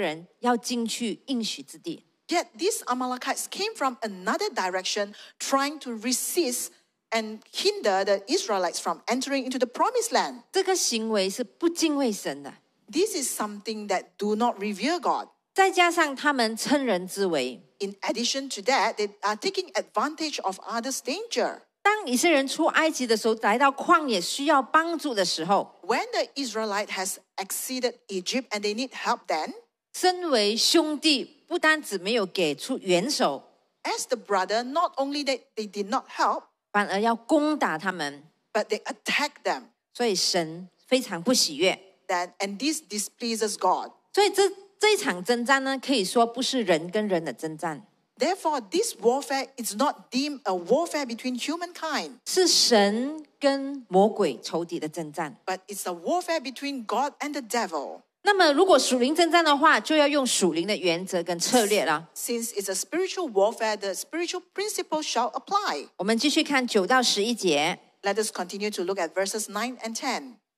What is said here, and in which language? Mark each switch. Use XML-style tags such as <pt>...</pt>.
<zh>但是这一些的亚玛力人呢，就是从另外一边就是要来拦阻以色列人要进去应许之地。</zh> <en>Yet these Amalekites came from another direction trying to resist and hinder the Israelites from entering into the promised land.</en> <zh>这个行为是不敬畏神的。</zh> <en>This is something that do not revere God.</en> <zh>再加上他们称人之为。</zh> <en>In addition to that, they are taking advantage of others' danger.</en> <zh>当以色列人出埃及的时候，来到旷野需要帮助的时候，</zh> <en>When the Israelite has exceeded Egypt and they need help then,</en> <zh>身为兄弟，不单只没有给出援手，</zh> <en>As the brother, not only that they did not help,</en> <zh>反而要攻打他们，</zh> <en>But they attacked them.</en> <zh>所以神非常不喜悦。</zh> <en>And this displeases God.</en> <zh>所以这场征战呢，可以说不是人跟人的征战。</zh> <en>Therefore, this warfare is not deemed a warfare between humankind.</en> <zh>是神跟魔鬼仇敌的征战。</zh> <en>But it's a warfare between God and the devil.</en> <zh>那么如果属灵征战的话，就要用属灵的原则跟策略了。</zh> <en>Since it's a spiritual warfare, the spiritual principle shall apply.</en> <zh>我们继续看9到11节。</zh> <en>Let us continue to look at verses 9 and 10.</en>